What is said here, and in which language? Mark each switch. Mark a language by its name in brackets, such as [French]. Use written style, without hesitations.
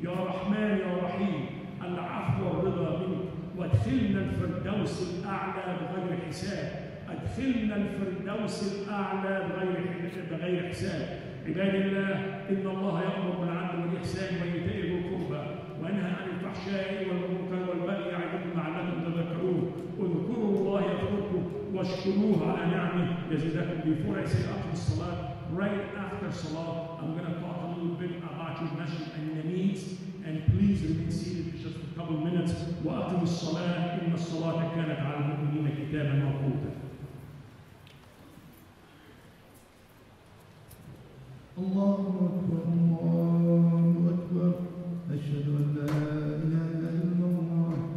[Arabic] رحمن يا رحيم العفو والرضا منك، وادخلنا الفردوس الاعلى بغير حساب، ادخلنا الفردوس الاعلى بغير حساب. عباد الله، ان الله يامر بالعدل والاحسان وايتاء ذي القربى وينهى عن الفحشاء والمنكر والبغي يعظكم لعلكم تذكرون. اذكروا الله يذكركم واشكروه على نعمه يزدكم. [English] Before I say after salah, right after salah, I'm going to talk a little bit about your masjid and your needs. And please remain seated for just a couple of minutes. [Arabic] وأقم الصلاة إن الصلاة كانت على المؤمنين كتابا موقوتا. الله أكبر الله أكبر. أشهد أن لا إله إلا الله.